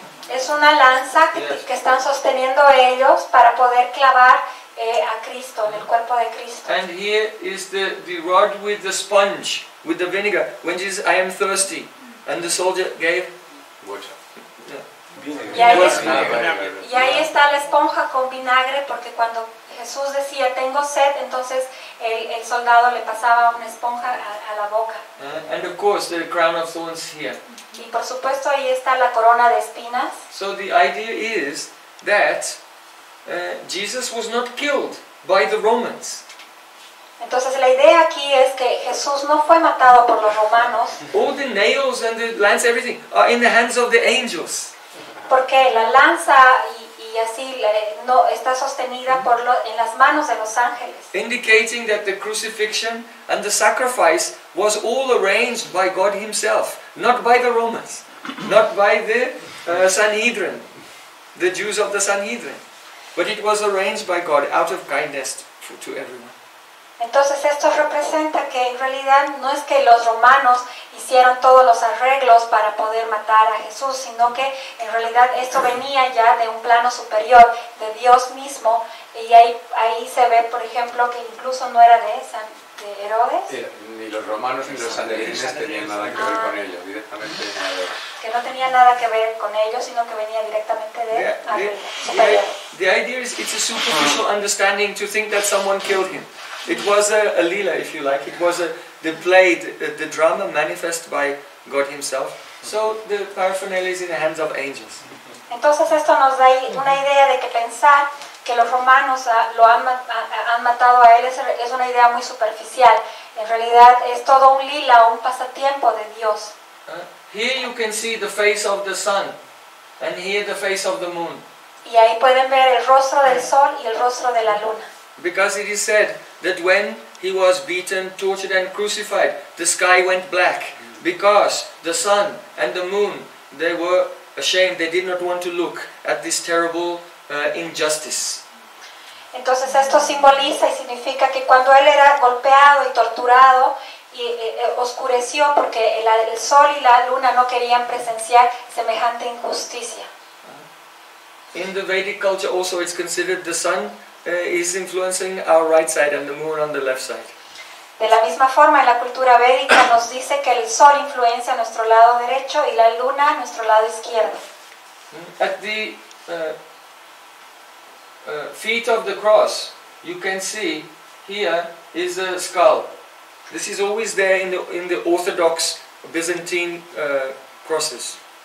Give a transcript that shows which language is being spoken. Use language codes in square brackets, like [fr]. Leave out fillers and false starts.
[es] Es una lanza que están sosteniendo ellos para poder clavar a Cristo, en el cuerpo de Cristo. [en] And here is the rod with the sponge, with the vinegar. When Jesus, I am thirsty. And the soldier gave water. [es] Y ahí está la esponja con vinagre, porque cuando Jesús decía, tengo sed, entonces el soldado le pasaba una esponja a la boca. [en] And of course, the crown of thorns here. [es] Y por supuesto, ahí está la corona de espinas. [en] So the idea is that Jesus was not killed by the Romans. [es] Entonces la idea aquí es que Jesús no fue matado por los romanos. [en] All the nails and the lance, everything, are in the hands of the angels. [es] Porque la lanza y así no está sostenida por en las manos de los ángeles. [en] Indicating that the crucifixion and the sacrifice was all arranged by God Himself, not by the Romans, not by the Sanhedrin, the Jews of the Sanhedrin, but it was arranged by God out of kindness to everyone. [es] Entonces esto representa que en realidad no es que los romanos hicieron todos los arreglos para poder matar a Jesús, sino que en realidad esto venía ya de un plano superior, de Dios mismo, y ahí se ve, por ejemplo, que incluso no era de Herodes. Ni los romanos ni los sanedrines tenían nada que ver con ellos, directamente. Que no tenía nada que ver con ellos, sino que venía directamente de [en] The idea is it's a superficial understanding to think that someone killed him. It was a lila, if you like. It was the play, the drama manifest by God Himself. So the paraphernalia is in the hands of angels. [es] Entonces esto nos da una idea de que pensar que los romanos han matado a él es una idea muy superficial. En realidad es todo un lila, un pasatiempo de Dios. [en] Here you can see the face of the sun, and here the face of the moon. [es] Y ahí pueden ver el rostro del sol y el rostro de la luna. [en] Because it is said that when he was beaten, tortured and crucified, the sky went black. Because the sun and the moon, they were ashamed. They did not want to look at this terrible injustice. [es] Entonces esto simboliza y significa que cuando él era golpeado y torturado, oscureció porque el sol y la luna no querían presenciar semejante injusticia. [en] In the Vedic culture also it's considered the sun is influencing our right side and the moon on the left side. [es] De la misma forma, en la cultura védica nos dice que el sol influencia nuestro lado derecho y la luna nuestro lado izquierdo. [en] At the feet of the cross, you can see here is a skull. This is always there in the Orthodox Byzantine crosses.